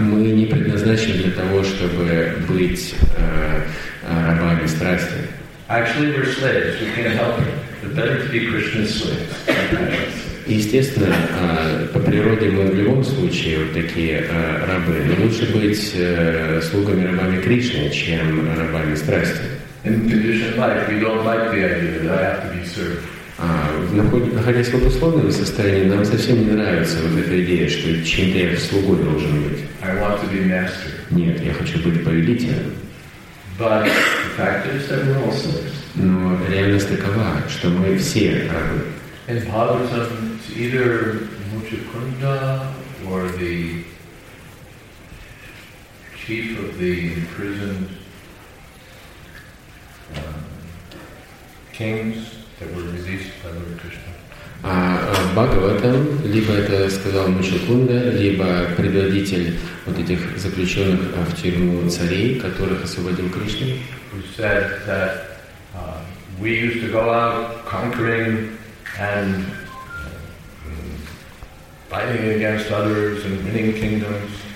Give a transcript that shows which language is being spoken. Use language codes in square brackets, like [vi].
[ru] Мы не предназначены для того, чтобы быть рабами страсти. [en] Actually, we're slaves. We can't help it. The better to be Krishna's slaves. [ru] Естественно, по природе мы в любом случае вот такие рабы. Но лучше быть слугами, рабами Кришны, чем рабами страсти. [en] In conditioned life, we don't like the idea that I have to be served. [ru] Находясь в условном состоянии, нам совсем не нравится вот эта идея, что чем-то я слугой должен быть. [en] I want to be master. [ru] Нет, я хочу быть повелителем. [en] But the fact is that we're all slaves. [ru] Но реальность такова, что мы все рабы. [en] And bhagavatam is either Muchukunda or the chief of the imprisoned kings that were released by Lord Krishna. [ru] А Бхагаватам, либо это сказал Мушакунда, либо предводитель вот этих заключенных в тюрьму царей, которых освободил Кришна. [en] Who said that we used to go out conquering and fighting against others and winning kingdoms.